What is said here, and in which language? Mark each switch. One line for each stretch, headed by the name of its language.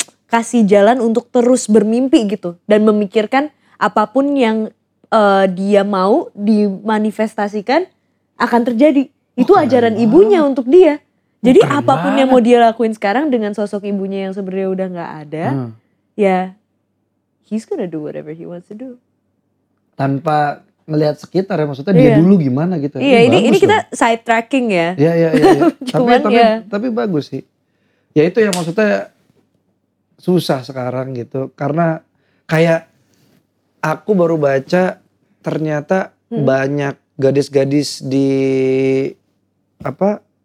Indonesian: kasih jalan untuk terus bermimpi gitu. Dan memikirkan apapun yang dia mau dimanifestasikan akan terjadi. Itu ajaran ibunya untuk dia. Jadi apapun yang mau dia lakuin sekarang dengan sosok ibunya yang sebenarnya udah gak ada.
English: Ya, he's gonna do whatever he wants to do.
Indonesian: Tanpa ngelihat sekitar ya, maksudnya dia dulu gimana gitu. Iya, ini kita side tracking ya. Iya. Tapi bagus sih. Ya itu yang maksudnya susah sekarang gitu, karena kayak aku baru baca ternyata banyak gadis-gadis di apa